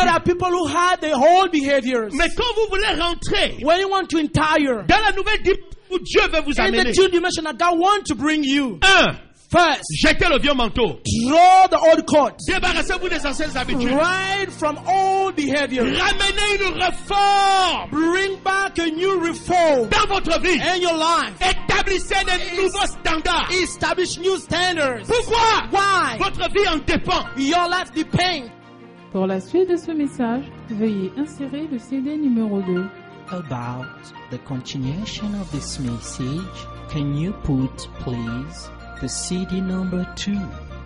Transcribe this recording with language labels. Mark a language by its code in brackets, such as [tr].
[en] There are people who had the old behaviors. [fr] Mais quand vous voulez rentrer. [en] When you want to entire. [fr] Dans la nouvelle dimension où Dieu veut vous amener. [en] In the new dimension that God wants to bring you. [fr] Un. [en] First, [fr] jetez le vieux manteau. [en] Draw the old coat. [fr] Débarrassez-vous des anciennes habitudes. [en] Right from old behavior. [fr] Ramenez une réforme. [en] Bring back a new reform. [fr] Dans votre vie. [en] In your life. [fr] Établissez des nouveaux standards. [en] Establish new standards. [fr] Pourquoi? [en] Why? [fr] Votre vie en dépend. [en] Your life depends. [fr] Pour la suite de ce message, veuillez insérer le CD numéro 2. [en] About the continuation of this message, can you put please the CD number 2.